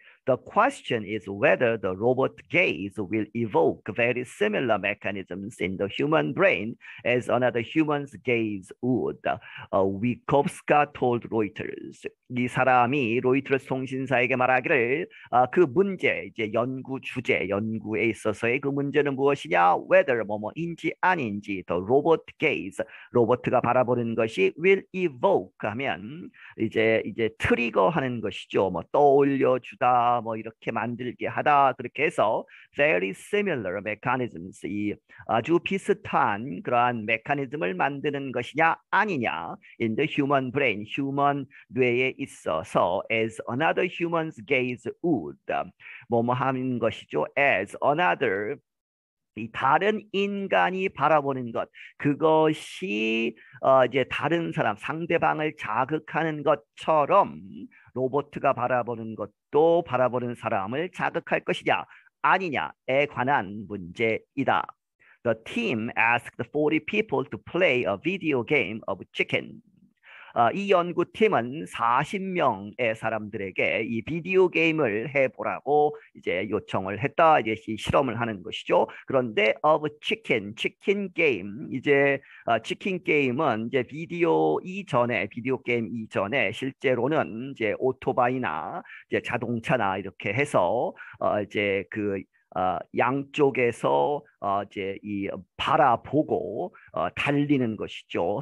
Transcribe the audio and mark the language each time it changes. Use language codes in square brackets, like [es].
[en] The question is whether the robot gaze will evoke very similar mechanisms in the human brain as another human's gaze would. Wikowska told Reuters. [ko] 이 사람이 로이터스 통신사에게 말하기를 그 문제, 이제 연구 주제, 연구에 있어서의 그 문제는 무엇이냐? [en] Whether [ko] 뭐뭐인지 아닌지 [en] the robot gaze, [ko] 로봇가 바라보는 것이 [en] will evoke [ko] 하면 이제 트리거 하는 것이죠. 뭐 떠올려주다 뭐 이렇게 만들게 하다 그렇게 해서 [en] very similar mechanisms [ko] 이 아주 비슷한 그러한 메커니즘을 만드는 것이냐 아니냐 [en] in the human brain, [ko] human 뇌에 있어서 [en] as another human's gaze would [ko] 뭐뭐 하는 것이죠 [en] as another [ko] 이 다른 인간이 바라보는 것 그것이 이제 다른 사람 상대방을 자극하는 것처럼 로봇가 바라보는 것도 바라보는 사람을 자극할 것이냐 아니냐에 관한 문제이다. [en] The team asked 40 people to play a video game of chicken. [ko] 이 연구팀은 40명의 사람들에게 이 비디오 게임을 해보라고 이제 요청을 했다. 이제 실험을 하는 것이죠. 그런데 [en] of chicken, chicken game. [ko] 이제 chicken game은 이제 비디오 게임 이전에 실제로는 이제 오토바이나 이제 자동차나 이렇게 해서 이제 그 양쪽에서 이제 이 바라보고 달리는 것이죠.